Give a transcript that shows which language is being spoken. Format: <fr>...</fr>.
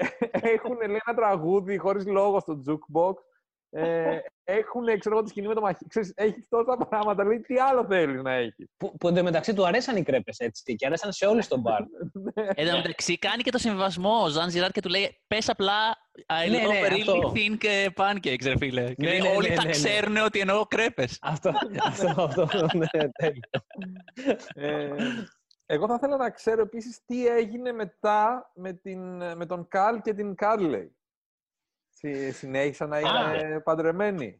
<el>Έχουν, λέει, ένα τραγούδι χωρίς λόγο στο jukebox. Έχουν, ξέρω εγώ, τη σκηνή με το μαχαίρι. Ξέρεις, έχει τόσα πράγματα. Λέει, τι άλλο θέλει να έχει. Που εντωμεταξύ του αρέσαν οι κρέπες, έτσι, και αρέσαν σε όλους τον μπαρ. Εντωμεταξύ κάνει και το συμβιβασμό ο Ζαν Ζιράρ και του λέει, πες απλά...</el> <en>I love a really thick pancakes,</en> <el>ρε φίλε. Όλοι θα ξέρουν ότι εννοώ κρέπες. Αυτό, ναι, τέλειο. Εγώ θα ήθελα να ξέρω επίσης τι έγινε μετά με τον Καλ και την Κάρλεϊ. Συνέχισαν να είναι παντρεμένοι.</el>